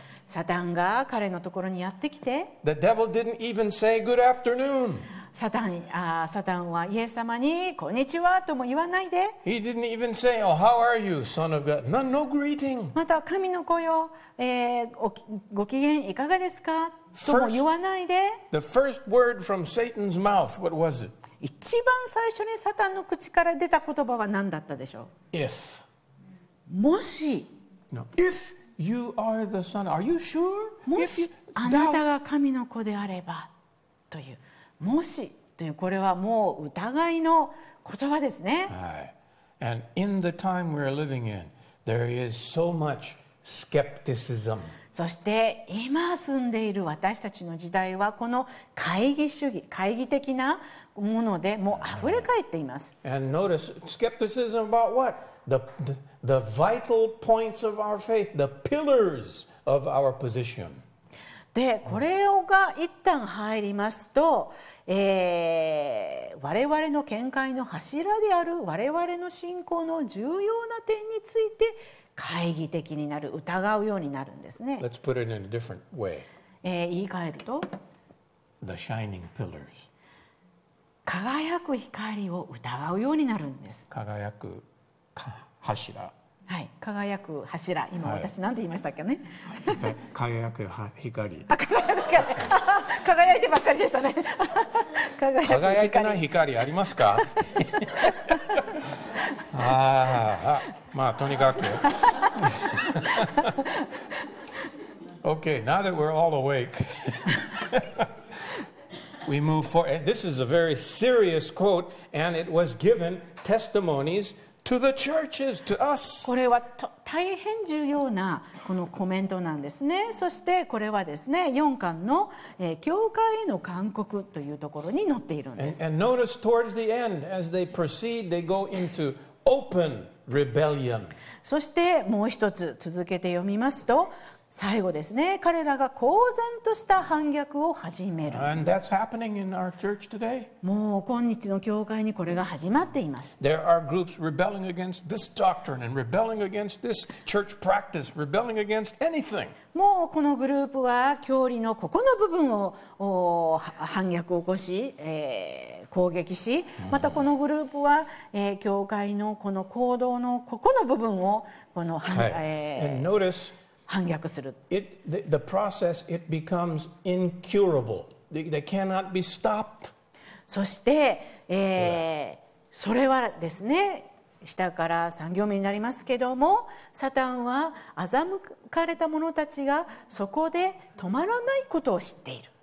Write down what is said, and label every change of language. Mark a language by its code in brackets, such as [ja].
[ja] サタンが彼のところにやってきて、 [en] The devil didn't even say good afternoon. [ja] サタンはイエス様にこんにちはとも言わないで。 [en] He didn't even say, "Oh, how are you, son of God?" No greeting. [ja] また神の子よ、ご機嫌いかがですかとも言わないで。 [en] The first word from Satan's mouth, what was it? [ja] 一番最初にサタンの口から出た言葉は何だったでしょう。 [en] If. [ja] もし。 [en] No. If you are the son, are you sure? [ja] もしあなたが神の子であればという。もしという、これはもう疑いの言葉ですね。 [en] はい。And in the time we're living in, there is so much skepticism. [ja] そして今住んでいる私たちの時代はこの懐疑主義、懐疑的なものでもう溢れかえっています。 [en] And notice skepticism about what? The vital points of our faith, the pillars of our position. [ja] でこれが一旦入りますと、我々の見解の柱である我々の信仰の重要な点について懐疑的になる疑うようになるんですね。 [en] Let's put it in a different way. [ja] 言い換えると [en] The shining pillars. [ja] 輝く光を疑うようになるんです。輝く柱、はい、輝く柱、今私何て言いましたっけね、はい、輝く光、あ、輝く光輝いてばっかりでしたね輝いてない光ありますかああ、まあとにかく [en] OK, now that we're all awake we move forward. This is a very serious quote and it was given testimoniesTo the churches, to us. [ja] これは大変重要なこのコメントなんですね。そしてこれはですね、4巻の、教会への勧告というところに載っているんです。 [en] And notice towards the end, as they proceed, they go into open rebellion. [ja] そしてもう一つ続けて読みますと、最後ですね、彼らが公然とした反逆を始める。 [en] And that's happening in our church today. [ja] もう今日の教会にこれが始まっています。 [en] There are groups rebelling against this doctrine and rebelling against this church practice, rebelling against anything. [ja] もうこのグループは教理のここの部分を反逆を起こし、攻撃し、またこのグループは、教会のこの行動のここの部分をこの反、はい、 [en] And notice, [ja] 反逆する。 [en] The process, it becomes incurable. They cannot be stopped. [ja] そして、それはですね、下から三行目になりますけども、サタンは欺かれた者たちがそこで止まらないことを知っている。